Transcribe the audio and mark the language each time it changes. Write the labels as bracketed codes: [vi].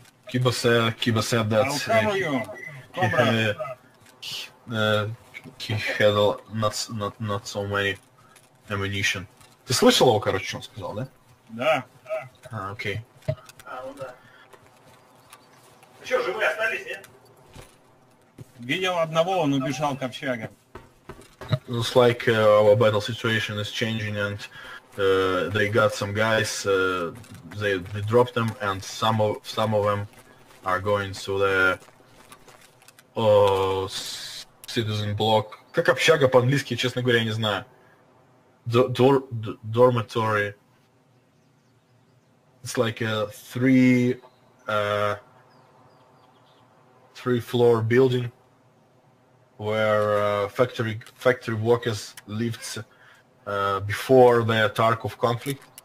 [en] Kiba said that he had not so many ammunition. [ru] Ты слышал его, короче, он сказал, да? Да. А, окей. А, ну да. Ну что, живые остались, нет? Видел одного, он убежал к общаге. [en] Looks like our battle situation is changing and they got some guys, they dropped them, and some of them are going to the citizen block. [ru] Как общага по-английски, честно говоря, я не знаю. [en] Dormitory. It's like a three-floor building where factory workers lived before the Tarkov conflict.